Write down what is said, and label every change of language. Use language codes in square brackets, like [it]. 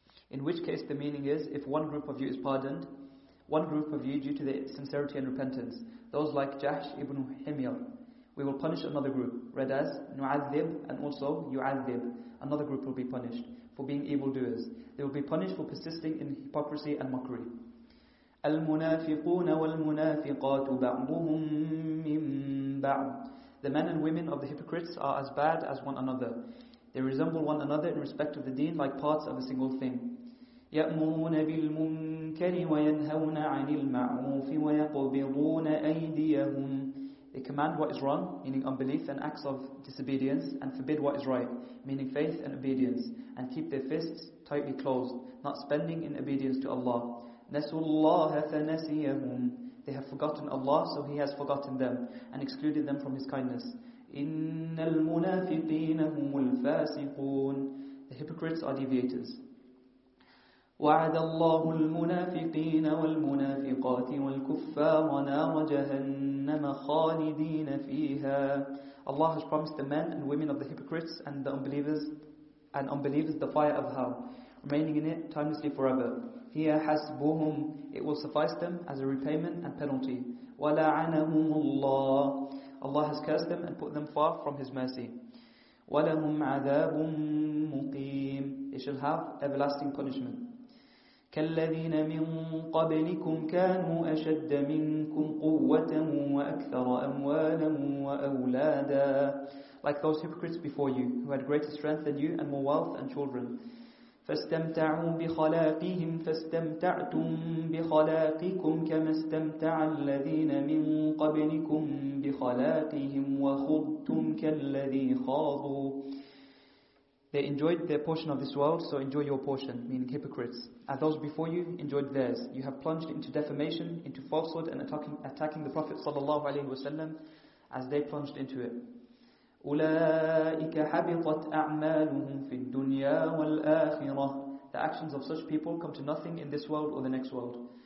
[en] In which case the meaning is, if one group of you is pardoned, one group of you due to the sincerity and repentance, those like Jahsh ibn Himyar, we will punish another group, read as nu'adhib and also yu'adhib. Another group will be punished for being evildoers. They will be punished for persisting in hypocrisy and mockery. [ar] المنافقون والمنافقات بعضهم من بعض. [en] The men and women of the hypocrites are as bad as one another. They resemble one another in respect of the deen like parts of a single thing. [ar] يأمرون بالمنكر وينهون عن المعروف ويقبضون أيديهم. [en] They command what is wrong, meaning unbelief and acts of disobedience, and forbid what is right, meaning faith and obedience, and keep their fists tightly closed, not spending in obedience to Allah. [ar] نسوا الله فنسيهم. [en] They have forgotten Allah, so He has forgotten them and excluded them from His kindness. [ar] إن المنافقين هم الفاسقون. [en] The hypocrites are deviators. [ar] وعد الله المنافقين والمنافقات والكفار نار جهنم خالدين فيها. [en] Allah has promised the men and women of the hypocrites and the unbelievers the fire of hell, remaining in it timelessly forever. [ar] هي حسبهم. [en] It will suffice them as a repayment and penalty. [ar] ولعنهم الله. [en] Allah has cursed them and put them far from His mercy. [ar] ولهم عذاب مقيم. [en] They shall have everlasting punishment. [ar] كالذين من قبلكم كانوا أشد منكم قوة وأكثر أموالا وأولادا. [en] Like those hypocrites before you, who had greater strength than you and more wealth and children. [ar] فاستمتعوا بخلاقهم فاستمتعتم بخلاقكم كما استمتع الذين من قبلكم بخلاقهم وخضتم كالذي خاضوا. [en] They enjoyed their portion of this world, so enjoy your portion, meaning hypocrites. As those before you enjoyed theirs, you have plunged into defamation, into falsehood, and attacking the Prophet sallallahu alaihi wasallam as they plunged into it. [ar] أولئك حبطت أعمالهم في الدنيا والآخرة. [en] The actions of such people come to nothing in this world or the next world.